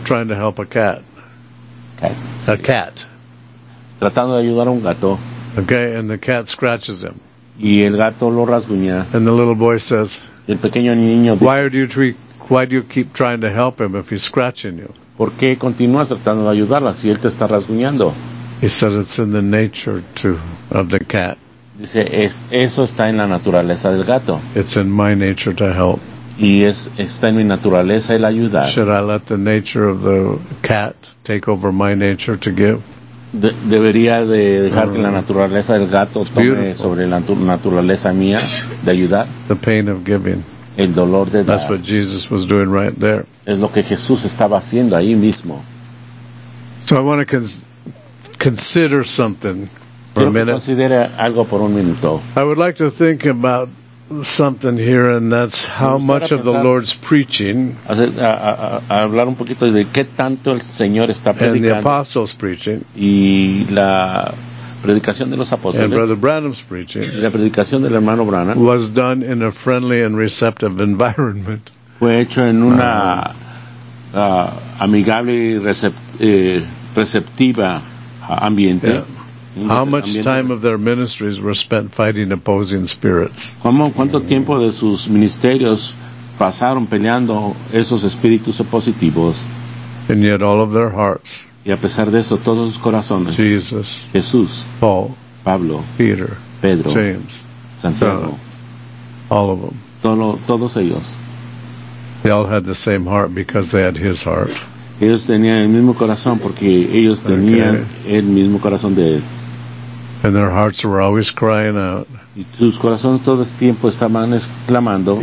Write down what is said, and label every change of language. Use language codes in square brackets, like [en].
[en] Trying to help a cat. Cat. [es] A sí. cat. Tratando de ayudar a un gato. [en] Okay, and the cat scratches him. [es] Y el gato lo rasguña. [en] And the little boy says. [es] El pequeño niño. [en] Why do you keep trying to help him if he's scratching you? [es] ¿Por qué continúas tratando de ayudarla si él te está rasguñando? [en] He said it's in the nature too, of the cat. [es] Dice, eso está en la naturaleza del gato. [en] It's in my nature to help. [es] Y está en mi naturaleza el ayudar. [en] Should I let the nature of the cat take over my nature to give? [es] Debería de dejar que la naturaleza del gato tome sobre la naturaleza mía de ayudar. [en] The pain of giving. [es] El dolor de dar. [en] That's what Jesus was doing right there. [es] Es lo que Jesús estaba haciendo ahí mismo. [en] So I want to consider something for a minute. [es] Considere algo por un minuto. [en] I would like to think about something here, and that's how much of the Lord's preaching [es] hablar un poquito de qué tanto el Señor está predicando, [en] and the apostles preaching [es] y la predicación de los apóstoles, [en] and Brother Branham's preaching [es] y la predicación del hermano Branham [en] was done in a friendly and receptive environment. [es] Fue hecho en una amigable y receptiva ambiente. [en] Yeah. How much time of their ministries were spent fighting opposing spirits? [es] ¿Cuánto tiempo de sus ministerios pasaron peleando esos espíritus opositivos? [en] And yet all of their hearts. [es] Y a pesar de eso, todos sus corazones. [en] Jesus. [es] Jesús. [en] Paul. [es] Pablo. [en] Peter. [es] Pedro. [en] James. [es] Santiago. [en] All of them. [es] Todos ellos. [en] They all had the same heart because they had his heart. [es] Ellos tenían el mismo corazón porque ellos tenían okay. el mismo corazón de él. [en] And their hearts were always crying out. [es] Y sus corazones todo el tiempo estaban exclamando.